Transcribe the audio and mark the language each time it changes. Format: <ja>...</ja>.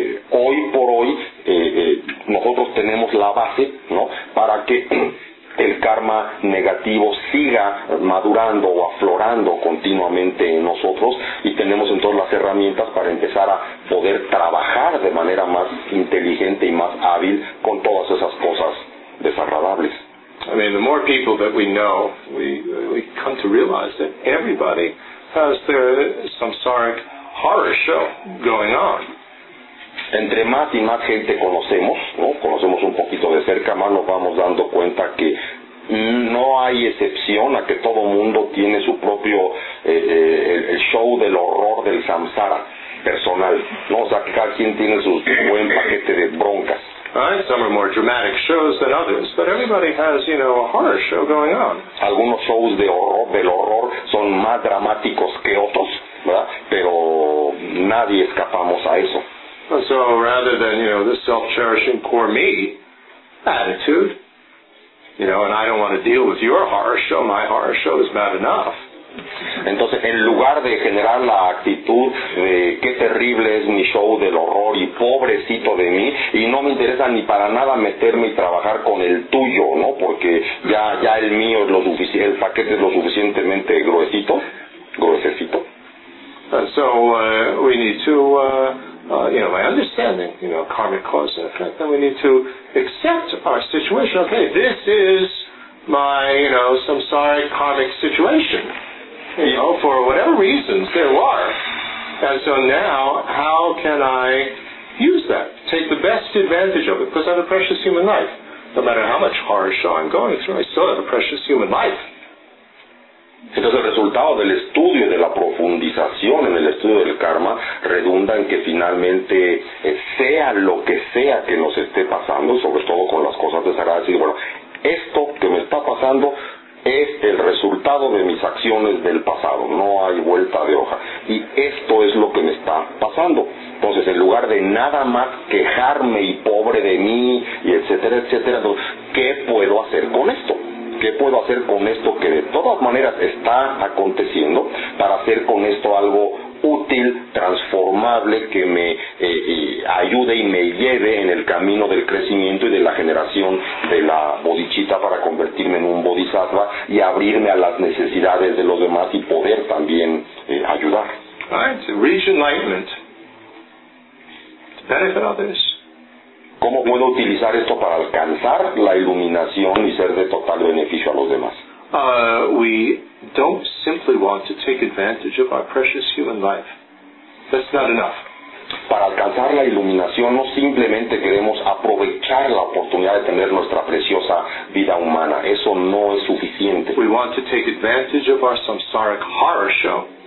<es>hoy por hoy nosotros tenemos la base, ¿no?, para que el karma negativo siga madurando o aflorando continuamente en nosotros, y tenemos entonces las herramientas para empezar a poder trabajar de manera más inteligente y más hábil con todas esas cosas desagradables.</es> <en>I mean, the more people that we know, we come to realize that everybody has their samsaric horror show going on.</en> <es>Entre más y más gente conocemos, ¿no?, conocemos un poquito de cerca, más nos vamos dando cuenta que no hay excepción a que todo mundo tiene su propio el show del horror del samsara personal, ¿no? O sea, que cada quien tiene su buen paquete de broncas.</es> <en>Some are more dramatic shows than others, but everybody has, a horror show going on.</en> <es>Algunos shows del horror son más dramáticos que otros, ¿verdad? Pero nadie escapamos a eso.</es> <en>And so rather than, this self-cherishing poor me attitude, You know, and I don't want to deal with your horror show. My horror show is bad enough.</en> <es>Entonces, en lugar de generar la actitud de qué terrible es mi show del horror y pobrecito de mí, y no me interesa ni para nada meterme y trabajar con el tuyo, ¿no? Porque ya el mío es lo suficiente, el paquete es lo suficientemente gruesito, gruesecito.</es> <en>So we need to, my understanding, you know, karmic cause and effect, then we need to accept our situation. Okay, this is my, you know, samsaric karmic situation. You know, for whatever reasons there were. And so now, how can I use that? Take the best advantage of it, because I have a precious human life. No matter how much horror show I'm going through, I still have a precious human life.</en> <es>Entonces el resultado del estudio y de la profundización en el estudio del karma redunda en que finalmente sea lo que sea que nos esté pasando, sobre todo con las cosas desagradables, y bueno, esto que me está pasando es el resultado de mis acciones del pasado, no hay vuelta de hoja, y esto es lo que me está pasando. Entonces, en lugar de nada más quejarme y pobre de mí y etcétera, etcétera, ¿qué puedo hacer con esto? ¿Qué puedo hacer con esto que de todas maneras está aconteciendo para hacer con esto algo útil, transformable, que me ayude y me lleve en el camino del crecimiento y de la generación de la bodichita para convertirme en un bodhisattva y abrirme a las necesidades de los demás y poder también ayudar?</es> <en>Right, to reach enlightenment, to benefit others.</en> <es>¿Cómo puedo utilizar esto para alcanzar la iluminación y ser de total beneficio a los demás?</es> <en>We don't simply want to take advantage of our precious human life. That's not enough.</en> <es>Para alcanzar la iluminación no simplemente queremos aprovechar la oportunidad de tener nuestra preciosa vida humana. Eso no es suficiente.</es> <en>We want to take advantage of our samsaric horror show.</en>